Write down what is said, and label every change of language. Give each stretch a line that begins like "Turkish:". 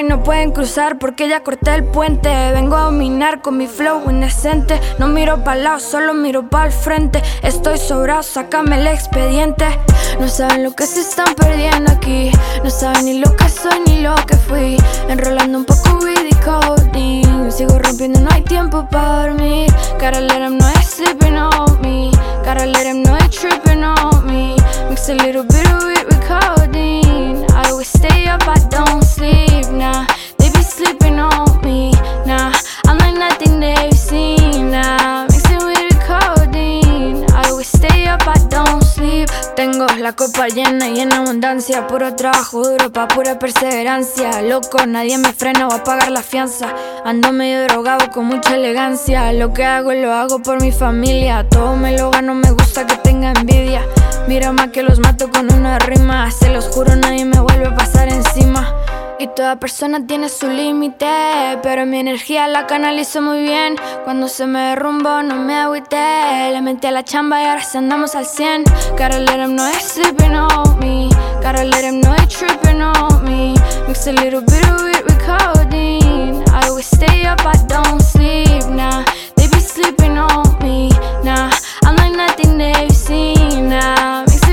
Spanish: Y no pueden cruzar porque ya corté el puente. Vengo a dominar con mi flow indecente. No miro pa'l lado, solo miro pa'l frente. Estoy sobrado, sácame el expediente. No saben lo que se están perdiendo aquí. No saben ni lo que soy ni lo que fui. Enrolando un poco weed y codeine. Sigo rompiendo, no hay tiempo pa' dormir.
English: Gotta let them know they're sleeping on me. Gotta let them know they're tripping on me. Mix a little bit of it with codeine. I always stay up, I don't sleep, nah. They be sleeping on me, nah. I'm like nothing they've seen, nah. Mix it with the codeine. I always stay up, I don't sleep.
Spanish: Tengo la copa llena y en abundancia. Puro trabajo duro pa' pura perseverancia. Loco, nadie me frena, va a pagar la fianza. Ando medio drogado con mucha elegancia. Lo que hago lo hago por mi familia. Todo me lo gano, me gusta que tenga envidia. Mira más que los mato con una rima. Se los juro, nadie me vuelve a pasar encima. Y toda persona tiene su límite, pero mi energía la canalizo muy bien. Cuando se me derrumbo no me agüité. Le metí a la chamba y ahora se andamos al 100.
English: Gotta let them know they're sleeping on me. Gotta let them know they're tripping on me. Mix a little bit of it with codeine. I always stay up, I don't sleep, nah. They be sleeping on me, nah. I'm like nothing they've seen, nah.